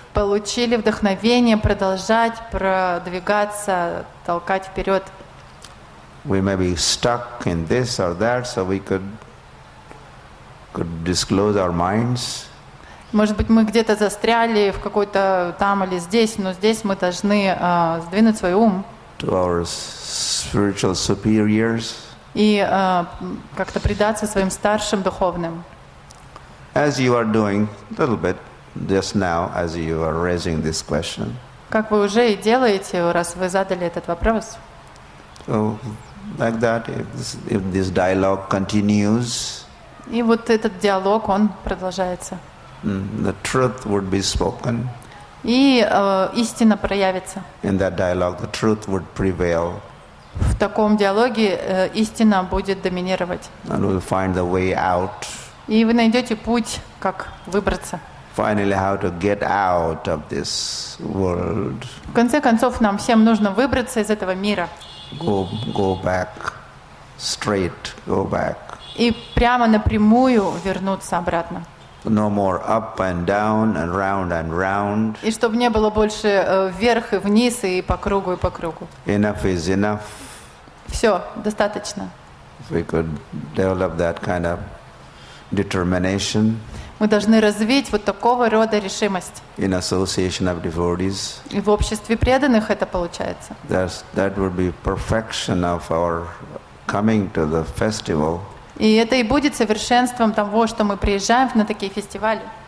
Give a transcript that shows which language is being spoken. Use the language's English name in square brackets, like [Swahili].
[Russian] Получили вдохновение продолжать продвигаться, толкать вперед. [English] We may be stuck in this or that, so we could disclose our minds. [Russian] Может быть, мы где-то застряли в какой-то там или здесь, но здесь мы должны сдвинуть свой ум. [English] To our spiritual superiors. [Russian] И как-то предаться своим старшим духовным. [English] As you are doing a little bit just now, as you are raising this question. [Russian] Как вы уже и делаете, раз вы задали этот вопрос. [English] So, like that, if this dialogue continues. [Russian] И вот этот диалог, он продолжается. [English] The truth would be spoken. [Russian] И истина проявится. [English] In that dialogue, the truth would prevail. [Russian] В таком диалоге истина будет доминировать. [English] And we'll find the way out. [Russian] И вы найдете путь, как выбраться. [English] Finally, how to get out of this world. [Russian] В конце концов, нам всем нужно выбраться из этого мира. [English] Go back, straight, go back. [Russian] И прямо напрямую вернуться обратно. [English] No more up and down and round and round. [Russian] И чтобы не было больше вверх и вниз и по кругу и по кругу. [English] Enough is enough. [Russian] Все, достаточно. [English] If we could develop that kind of determination. [Russian] Мы должны развить вот такого рода решимость. [English] In association of devotees. [Russian] И в обществе преданных это получается. [English] That would be perfection of our coming to the festival. [Russian] И это и будет совершенством того, что мы приезжаем на такие фестивали.